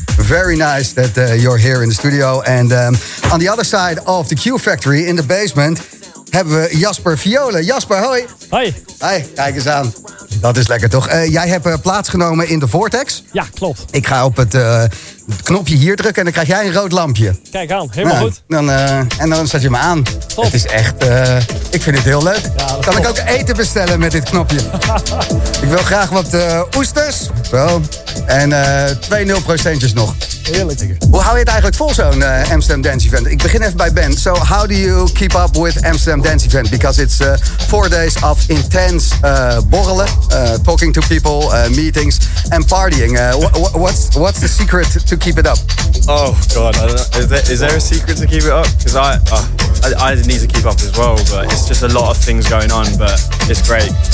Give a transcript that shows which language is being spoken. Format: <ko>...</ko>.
<en>Very nice that you're here in the studio. And on the other side of the Q Factory in the basement...</en> <nl>hebben we Jasper Violen. Jasper, hoi. Hoi. Hoi, kijk eens aan. Dat is lekker, toch? Jij hebt plaatsgenomen in de Vortex. Ja, klopt. Ik ga op het knopje hier drukken en dan krijg jij een rood lampje. Kijk aan, helemaal goed. Dan zet je me aan. Top. Het is echt... ik vind het heel leuk. Ja, kan ik ook eten bestellen met dit knopje? Ik wil graag wat oesters. Zo. En 2-0 procentjes nog. Heerlijk. Hoe hou je het eigenlijk vol, zo'n Amsterdam Dance Event? Ik begin even bij Ben.</nl> <en>So, how do you keep up with Amsterdam Dance Event? Because it's 4 days of intense borrelen, talking to people, meetings, and partying. What's the secret to keep it up? Oh, God. I don't know. Is there a secret to keep it up? Because I need to keep up as well, but it's just a lot of things going on, but it's great.</en>